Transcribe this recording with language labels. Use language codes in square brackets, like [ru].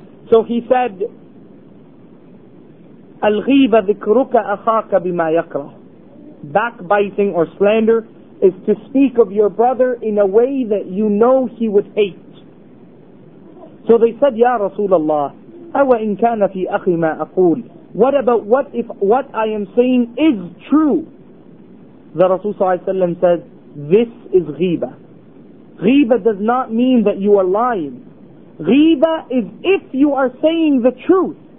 [en] So he said, [ar] الْغِيبَ ذِكْرُكَ أَخَاكَ بِمَا يَكْرَهُ. [en] Backbiting or slander is to speak of your brother in a way that you know he would hate. So they said, [ar] Ya Rasulullah, أَوَإِنْ كَانَ فِي أَخِي مَا أَقُولِ. [en] What about what if what I am saying is true? The Rasul sallallahu alayhi wa sallam says, this is ghibah. Ghibah does not mean that you are lying. Ghibah is if you are saying the truth.